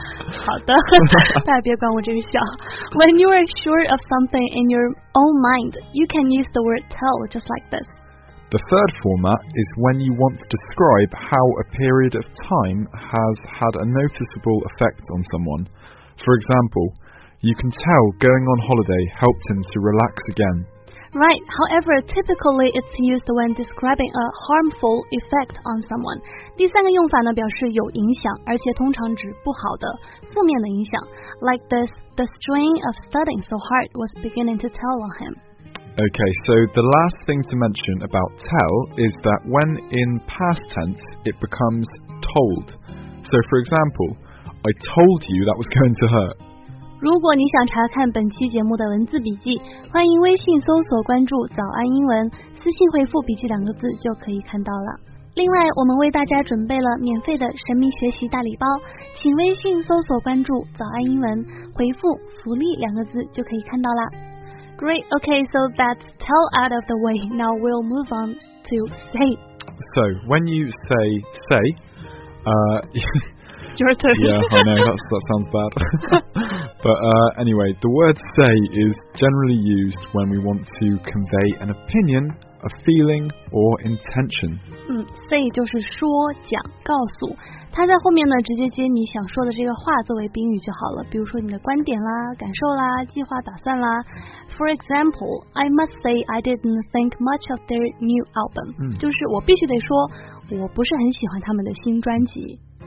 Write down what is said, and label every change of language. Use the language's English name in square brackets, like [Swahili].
[Chinese] 好的，大家别管我这个笑。 [English] When you are sure of something in your own mind, you can use the word tell just like this. The third format is when you want to describe how a period of time has had a noticeable effect on someone. For example, you can tell going on holiday helped him to relax again. Right, however, typically it's used when describing a harmful effect on someone. [Chinese] 第三个用法呢，表示有影响，而且通常指不好的、负面的影响。 [English] Like this, the strain of studying so hard was beginning to tell on him. Okay, so the last thing to mention about tell is that when in past tense, it becomes told. So for example, I told you that was going to hurt. [Chinese] 如果你想查看本期节目的文字笔记，欢迎微信搜索关注早安英文，私信回复笔记两个字就可以看到了。另外，我们为大家准备了免费的神秘学习大礼包，请微信搜索关注早安英文，回复福利两个字就可以看到了。 [English] Great, okay, so that's tell out of the way. Now we'll move on to say. So, when you say, say, Your turn. Yeah, I know, that sounds bad. But anyway, the word say is generally used when we want to convey an opinion, a feeling, or intention. [Chinese] Say 就是说、讲、告诉。它在后面呢，直接接你想说的这个话作为宾语就好了。比如说你的观点啦、感受啦、计划、打算啦。 [English] For example, I must say I didn't think much of their new album. [Chinese] 就是我必须得说，我不是很喜欢他们的新专辑。